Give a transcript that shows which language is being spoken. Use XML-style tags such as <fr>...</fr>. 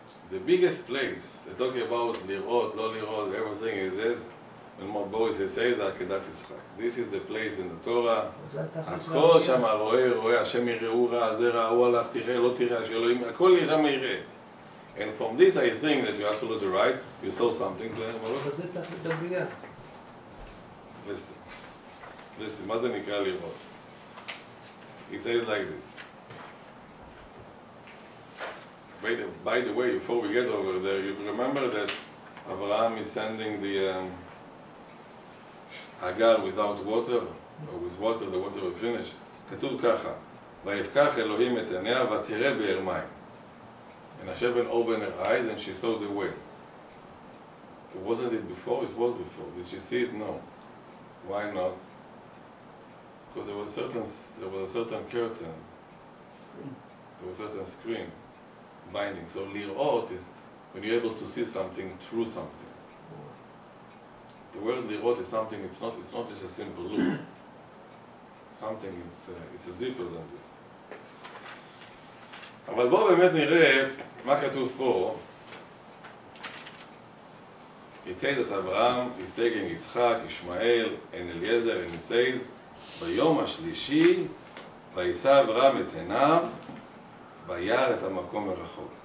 <en>The biggest place, they're talking about</en> <he>לראות, לא לראות,</he> <en>everything is this, and what Boris has said,</en> <he>זה עקדת יצחק.</he> <en>This is the place in the Torah.</en> <he>הכל שם רואה, השם יראה, הוא ראה, זה ראה, הוא הלך, תראה, לא תראה, שאלוהים, הכל יראה מה יראה.</he> <en>And from this I think that you have to look to right, you saw something,</en> <he>זה תחיל את הבריאה.</he> <en>Listen,</en> <he>מה זה נקרא לראות?</he> <en>He said it like this. By the way, before we get over there, you remember that Abraham is sending the Agar without water, or with water, the water will finish.</en> <he>כתוב ככה, ויפקח אלוהים את עניה ותראה באר מים.</he> <en>And Hashem opened her eyes and she saw the way. Wasn't it before? It was before. Did she see it? No. Why not? Because there was a certain curtain. Screen. There was a certain screen. Binding. So lirot is when you're able to see something through something. The word lirot is something, it's not just a simple look. Something is it's a deeper than this.</en> <he>אבל בואו באמת נראה מה כתוב פה.</he> <en>It says that Abraham is taking Yitzchak, Ishmael, and Eliezer, and he says,</en> <he>ביום השלישי, וישא אברהם את עיניו, וירא את המקום הרחוק.</he>